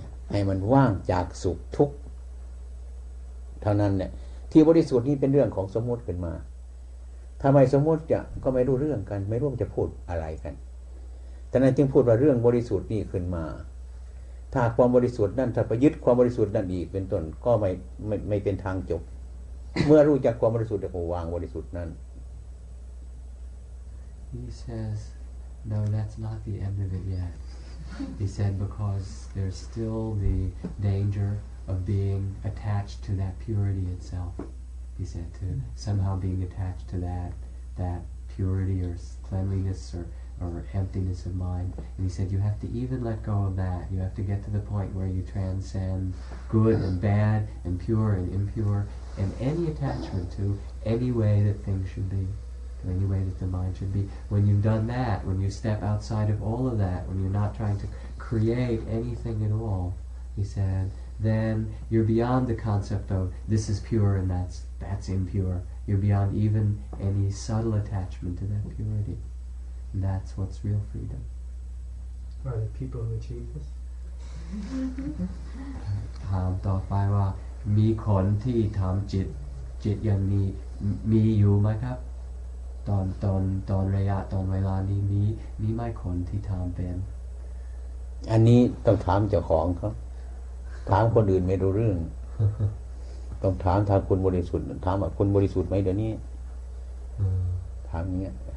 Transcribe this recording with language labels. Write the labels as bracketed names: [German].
[Thai] ให้มันว่างจากสุขทุกข์เท่านั้นเนี่ยที่บริสุทธิ์นี่เป็นเรื่องของสมมติขึ้นมาถ้าไม่สมมติจะก็ไม่รู้เรื่องกันไม่รู้จะพูดอะไรกันท่านนั้นจึงพูดว่าเรื่องบริสุทธิ์นี่ขึ้นมาถ้าความบริสุทธิ์นั่นถ้าไปยึดความบริสุทธิ์นั่นอีกเป็นต้นก็ไม่เป็นทางจบ เมื่อรู้จักความบริสุทธิ์แล้วก็วางบริสุทธิ์นั้น [English] He says no that's not the end of it yet He said because there's still the danger of being attached to that purity itself He said to somehow being attached to that purity or cleanliness or emptiness of mind. And he said, you have to even let go of that. You have to get to the point where you transcend good and bad and pure and impure and any attachment to any way that things should be, any way that the mind should be. When you've done that, when you step outside of all of that, when you're not trying to create anything at all, he said, then you're beyond the concept of this is pure and that's impure. You're beyond even any subtle attachment to that purity. That's what's real freedom. Are the people who achieve this? [Thai] ถามต่อไปว่ามีคนที่ทำจิตยังมีอยู่ไหมครับตอนระยะตอนเวลานี้มีไหมคนที่ทำเป็น อันนี้ต้องถามเจ้าของครับถามคนอื่นไม่รู้เรื่อง ต้องถามทางคุณบริสุทธิ์ถามว่าคุณบริสุทธิ์ไหมเดี๋ยวนี้ถามเนี้ย